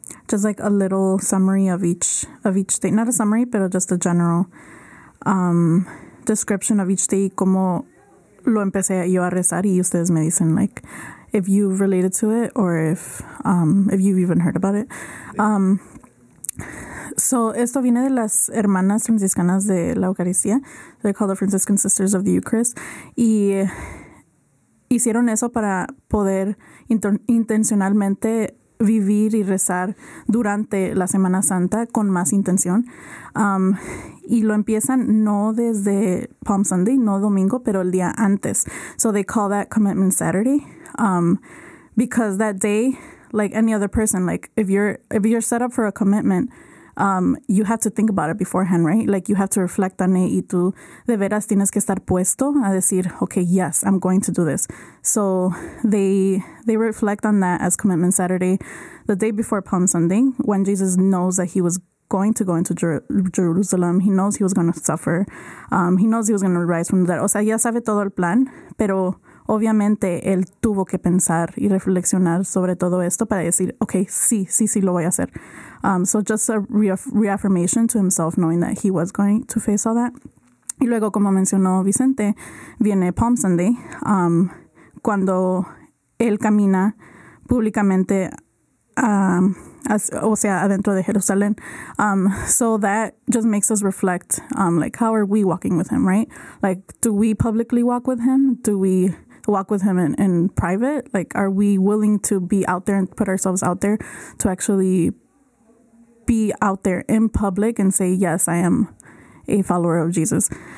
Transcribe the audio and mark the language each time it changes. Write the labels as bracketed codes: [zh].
[en] Just like a little summary of each day. Not a summary, pero just a general description of each day. [es] Como lo empecé yo a rezar y ustedes me dicen, [en] like, if you've related to it or if you've even heard about it. [es] So esto viene de las hermanas franciscanas de la Eucaristía. [en] They're called the Franciscan Sisters of the Eucharist. [es] Y hicieron eso para poder intencionalmente vivir y rezar durante la Semana Santa con más intención. Y lo empiezan no desde Palm Sunday, no domingo, pero el día antes. [en] So they call that Commitment Saturday. Because that day, like any other person, like if you're set up for a commitment, you have to think about it beforehand, right? Like you have to reflect on it [es] y tú de veras tienes que estar puesto a decir, [en] okay, yes, I'm going to do this. So they reflect on that as Commitment Saturday, the day before Palm Sunday, when Jesus knows that he was going to go into Jerusalem. He knows he was going to suffer. He knows he was going to rise from the dead. [es] O sea, ya sabe todo el plan, pero obviamente él tuvo que pensar y reflexionar sobre todo esto para decir, okay, sí, sí, sí, lo voy a hacer. [en] So just a reaffirmation to himself, knowing that he was going to face all that. [es] Y luego, como mencionó Vicente, viene Palm Sunday, cuando él camina públicamente, adentro de Jerusalén. [en] So that just makes us reflect, like, how are we walking with him, right? Like, do we publicly walk with him? Do we walk with him in private? Like, are we willing to be out there and put ourselves out there to actually be out there in public and say, yes, I am a follower of Jesus?